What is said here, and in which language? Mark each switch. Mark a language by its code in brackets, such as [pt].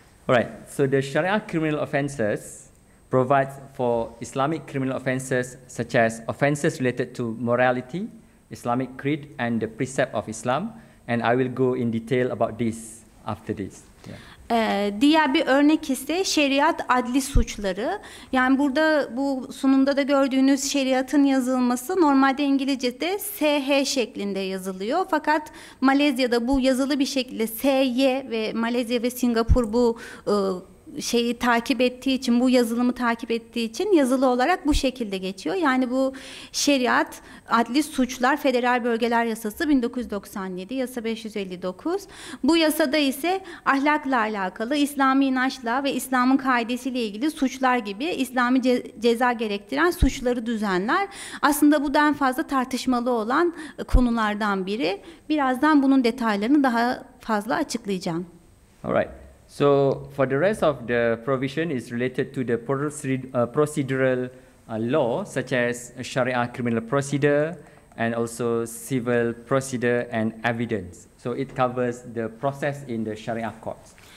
[en] All right, so the Sharia criminal offenses provides for Islamic criminal offenses, such as offenses related to morality, Islamic creed and the precept of Islam, and I will go in detail about this after this. [tr] Diğer bir örnek ise şeriat adli suçları. Yani burada bu sunumda da gördüğünüz şeriatın yazılması normalde İngilizce'de SH şeklinde yazılıyor. Fakat Malezya'da bu yazılı bir şekilde SY ve Malezya ve Singapur bu şeyi takip ettiği için, bu yazılımı takip ettiği için yazılı olarak bu şekilde geçiyor. Yani bu şeriat, adli suçlar, federal bölgeler yasası 1997, yasa 559. Bu yasada ise ahlakla alakalı, İslami inançla ve İslam'ın kaidesiyle ilgili suçlar gibi İslami ceza gerektiren suçları düzenler. Aslında bu da en fazla tartışmalı olan konulardan biri. Birazdan bunun detaylarını daha fazla açıklayacağım. [en] All right. So for the rest of the provision is related to the procedural law, such as Sharia criminal procedure and also civil procedure and evidence. So it covers the process in the Sharia courts.